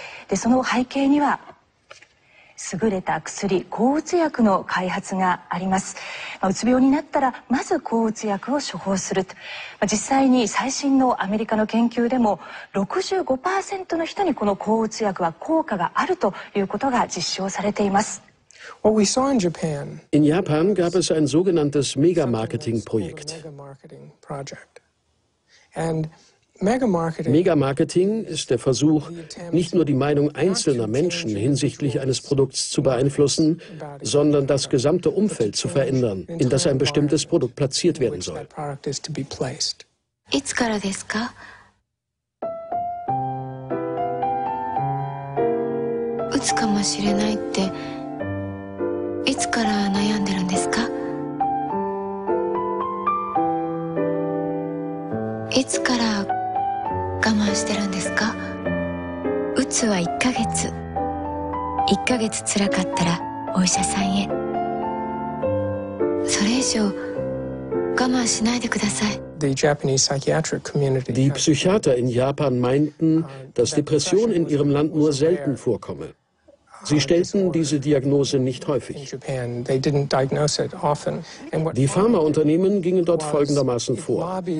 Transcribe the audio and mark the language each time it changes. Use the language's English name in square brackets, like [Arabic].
[Japanese] でその背景には優れた薬抗うつ薬の開発があります。まあ、うつ病になったらまず抗うつ薬を処方すると、まあ、実際に最新のアメリカの研究でも 65% の人にこの抗うつ薬は効果があるということが実証されています。 [German] In Japan gab es ein sogenanntes Mega-Marketing-Projekt. Mega-Marketing ist der Versuch, nicht nur die Meinung einzelner Menschen hinsichtlich eines Produkts zu beeinflussen, sondern das gesamte Umfeld zu verändern, in das ein bestimmtes Produkt platziert werden soll. [Japanese] いつからですか? うつかもしれないって。いつから悩んでるんですか？いつから我慢してるんですか？うつは1ヶ月。 1ヶ月つらかったらお医者さんへ。それ以上我慢しないでください。 [German] Die Psychiater in Japan meinten, dass Depression in ihrem Land nur selten vorkomme. Sie stellten diese Diagnose nicht häufig. Die Pharmaunternehmen gingen dort folgendermaßen vor.